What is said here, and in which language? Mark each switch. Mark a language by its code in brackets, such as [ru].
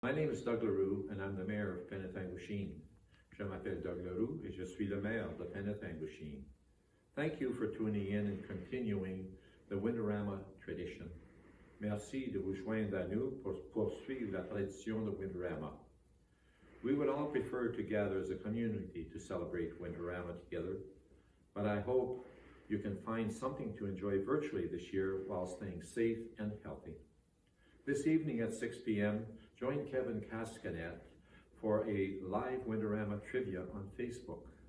[en] My name is Doug Leroux, and I'm the mayor of Penetanguishene. [fr] Je m'appelle Doug Leroux, et je suis le maire de Penetanguishene. [en] Thank you for tuning in and continuing the Winterama tradition. [fr] Merci de vous joindre à nous pour poursuivre la tradition de Winterama. [en] We would all prefer to gather as a community to celebrate Winterama together, but I hope you can find something to enjoy virtually this year while staying safe and healthy. This evening at 6 p.m., join Kevin Cascanet for a live Winterama trivia on Facebook.